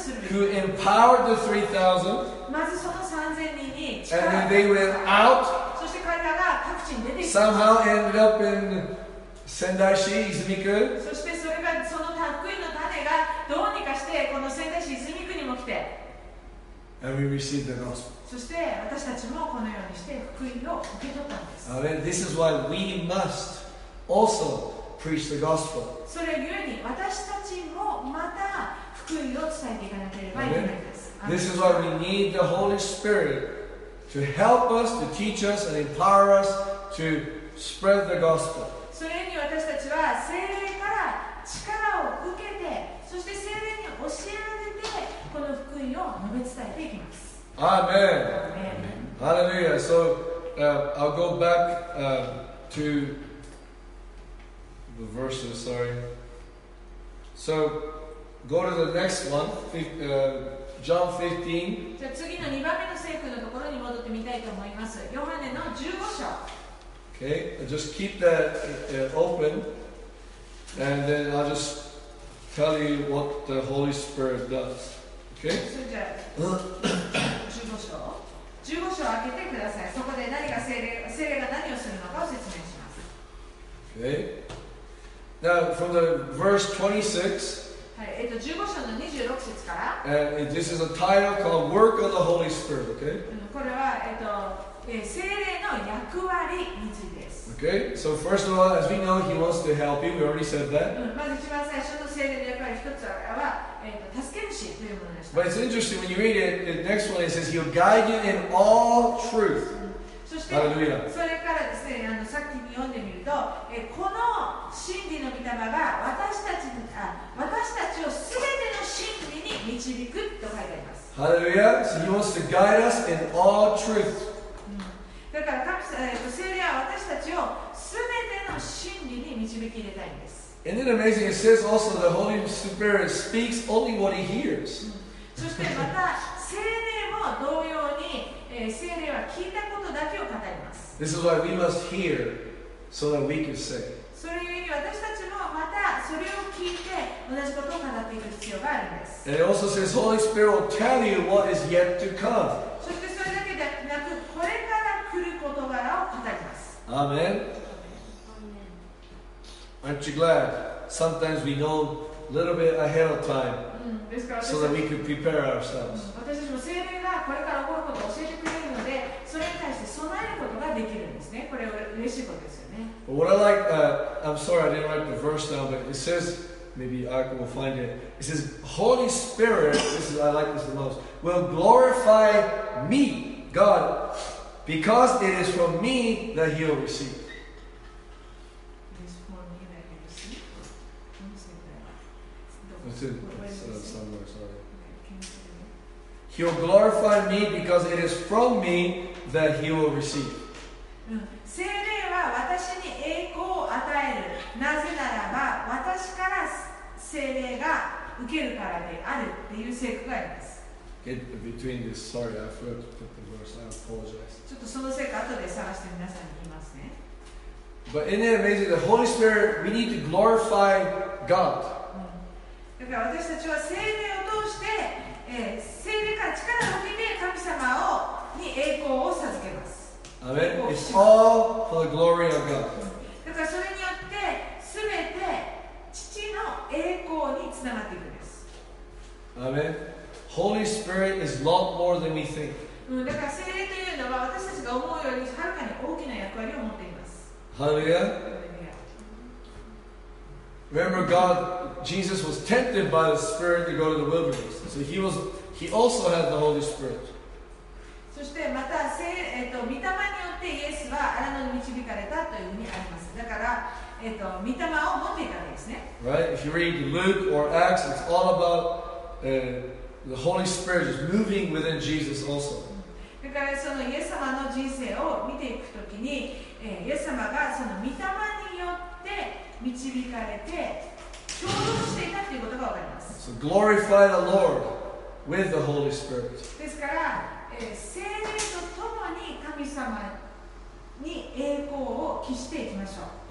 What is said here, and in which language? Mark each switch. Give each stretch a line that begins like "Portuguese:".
English: Who empowered the 3,000, and then they went out. Somehow ended up in Sendai-shi, Izumiku.
Japanese: そしてそれがその福音の種がどうにかしてこの仙台市泉区にも来て。
English: And we received the gospel.
Japanese: そして私たちもこのようにして福音を受け取ったんです。
English: Amen. This is why we must also preach the gospel.
Japanese: それゆえに私たちもまた福音を伝えていかなければいけないんです。
English: Amen. This is why we need the Holy Spirit. To help us, to teach us, and empower us to spread the gospel.
Japanese: それに私たちは聖霊から力を受けて、そして聖霊に教えられて、この福音を述べ伝えていきます。
English: Amen. Hallelujah. So, I'll go back to the verses, sorry. So, go to the next one. John 15.
Japanese: じゃあ次の2番目の聖句のところに戻ってみたいと思います。ヨハネの15章。
English: Okay, just keep that open, and then I'll just tell you what the Holy Spirit does. Okay?
Japanese: それじゃあ、15章。15章を開けてください。そこで何が聖霊が何をするのかを説明します。
English: Okay. Now, from the verse 26,
Japanese: 15章の26節から、
English: This is a title called Work of the Holy Spirit, okay?
Japanese: これは、聖霊の役割についてです。
English: Okay, so first of all, as we know, he wants to help you. We already said that.
Japanese: まず一番最初の聖霊の役割一つは、助け主というものでした。
English: But it's interesting when you read it, the next one it says, He'll guide you in all truth.
Japanese: そして、それからですね、さっき読んでみると、この真理の御霊が私たちをすべての真理に導くと書いてあります。ハレルヤ。
English: So he wants to guide us in all truth.
Japanese: だから聖霊は私たちをすべての真理に導き入れたいんです。
English: Isn't it amazing? It says also the Holy Spirit speaks only what he hears.
Japanese: そしてまた聖霊も同様に、聖霊は聞いたことだけを語ります。
English: This is why we must hear so that we can say.
Japanese: それゆえに私たちもまたそれを聞いて同じことを語っていく必要があるんです。
English: And it also says, Holy Spirit will tell you what is yet to come.
Japanese: そしてそれだけでなく、これから来る言葉を語ります。
English: Amen. Aren't you glad? Sometimes we know a little bit ahead of time so that we can prepare ourselves.
Japanese: 私たちも聖霊がこれから起こることを教えてくれるので、それに対して備えることができるんですね。これは嬉しいことですよ。
English: But what I like, I'm sorry I didn't write the verse down, but it says, maybe Ark will find it. It says, Holy Spirit, this is, I like this the most, will glorify me, God, because it is from me that he will receive. It is from me that he will receive. Let me see that. It's somewhere, sorry. He will glorify me because it is from me that he will receive.
Japanese: 聖霊は私に栄光を与える。なぜならば私から聖霊が受けるからであるっていう聖句があります。
English: Get between this. Sorry, I forgot to put the verse. I apologize.
Japanese: ちょっとその聖句後で探して皆さんに言いますね。
English: But isn't it amazing? The Holy Spirit, we need to glorify God.
Japanese: だから私たちは聖霊を通して、聖霊から力を受けて神様に栄光を授けます。
English: Amen. It's all for the glory of God.
Japanese: だからそれによって全て父の栄光につながっていくんです。
English: Amen. Holy Spirit is a lot more than we think.
Japanese: だから聖霊というのは私たちが思うよりはるかに大きな役割を持っています。
English: Hallelujah. Remember God, Jesus was tempted by the Spirit to go to the wilderness. So he also had the Holy Spirit.
Japanese: そしてまた御霊によってイエスは荒野に導かれたというふうにあります。だから御霊を持っていたんですね。
English: Right? If you read Luke or Acts, it's all about the Holy Spirit just moving within Jesus also.
Japanese: だからそのイエス様の人生を見ていくときに、イエス様がその御霊によって導かれて共同していたということがわかります。
English: So glorify the Lord with the Holy Spirit.
Japanese: ですから、聖霊とともに神様に栄光を期していきましょう。